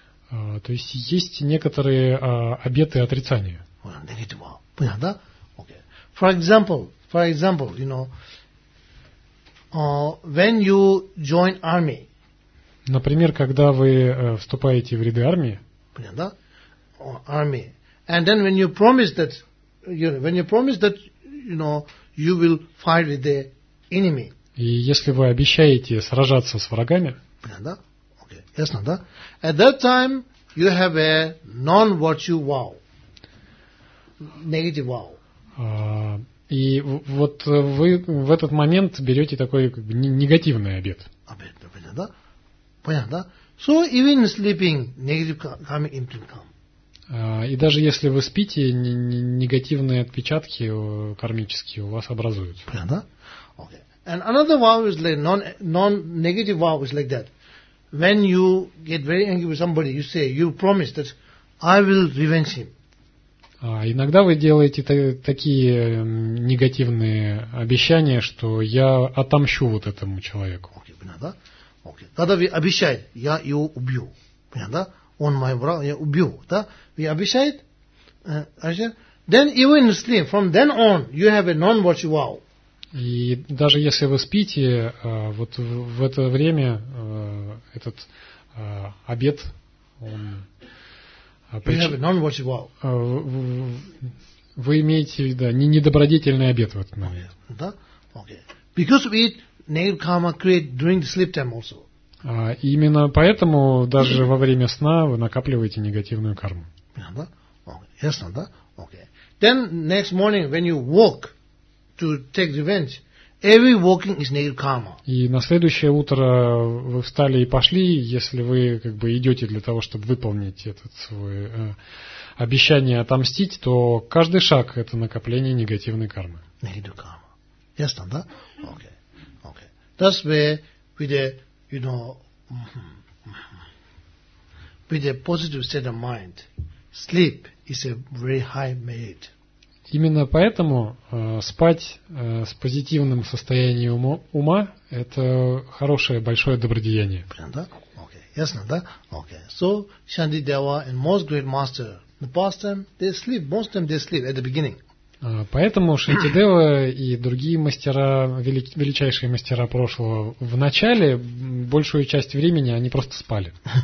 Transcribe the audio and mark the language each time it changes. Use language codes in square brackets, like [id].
[ru] То есть есть некоторые обеты отрицания. [en] Well, negative vow. [ru] Понятно, да? [en] Okay. For example, you know, when you join army. [ru] Например, когда вы вступаете в ряды армии. Понятно, да? Армии. [en] And then when you promise that, you know, when you promise that, you know, you will fight with the enemy. [ru] И если вы обещаете сражаться с врагами. Понятно, да? Okay. Ясно, да? [en] At that time you have a non-virtue vow. Negative vow. [ru] И вот вы в этот момент берете такой как бы негативный обет. Обет, да, понятно, да? Понятно, да? [en] So even sleeping, negative coming into come. [ru] И даже если вы спите, негативные отпечатки кармические у вас образуются. Понятно, да? Okay. [en] And another vow is like non-negative vow is like that. When you get very angry with somebody, you say, you promise that I will revenge him. [ru] Иногда вы делаете такие негативные обещания, что я отомщу вот этому человеку. Окей, понятно, да? Okay. Тогда вы обещаете, я его убью. Понятно, да? Он мой враг, я убью. Да? Вы обещаете? [en] Then even sleep, from then on, you have a non-virtue vow. [ru] И даже если вы спите, вот в это время этот обет, он... [en] You have a non-virtue vow. [ru] Вы имеете, да, недобродетельный обет в этот момент. Да? Okay. [en] Because we eat negative karma create during the sleep time also. [ru] Именно поэтому даже во время сна вы накапливаете негативную карму. Понятно, да? Okay. Ясно, да? Okay. [en] Then next morning when you walk to take revenge, every walking is negative karma. [ru] И на следующее утро вы встали и пошли, если вы как бы идете для того, чтобы выполнить этот свой обещание отомстить, то каждый шаг это накопление негативной кармы. [en] Negative karma. [ru] Ясно, да? [en] Okay. Okay. That's where with the you know, with a positive state of mind, sleep is a very high merit. [ru] Именно поэтому спать с позитивным состоянием ума – это хорошее, большое добродеяние. Ясно, да? Окей. [en] So, Shanti Deva and most great master, the past time, they sleep, most time they sleep at the beginning. [ru] Поэтому Шанти Дева и другие мастера, величайшие мастера прошлого, в начале большую часть времени они просто спали.